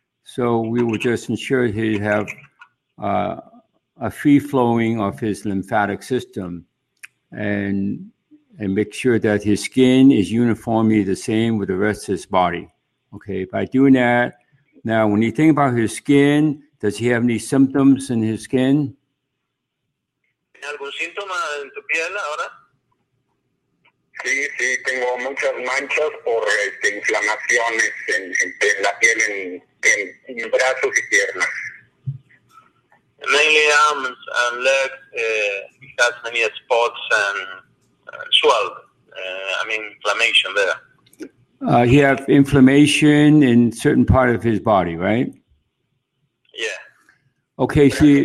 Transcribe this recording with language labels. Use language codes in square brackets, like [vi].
[en] So we will just ensure he have a free flowing of his lymphatic system and make sure that his skin is uniformly the same with the rest of his body. Okay, by doing that, now when you think about his skin, does he have any symptoms in his skin? [es] ¿Algún síntoma en tu piel ahora? Sí, sí, tengo muchas manchas por inflamaciones en la piel, en brazos y piernas. [en] Mainly arms and legs, he has many spots and swelled, inflammation there. He have inflammation in certain part of his body, right? Yeah. Okay, see.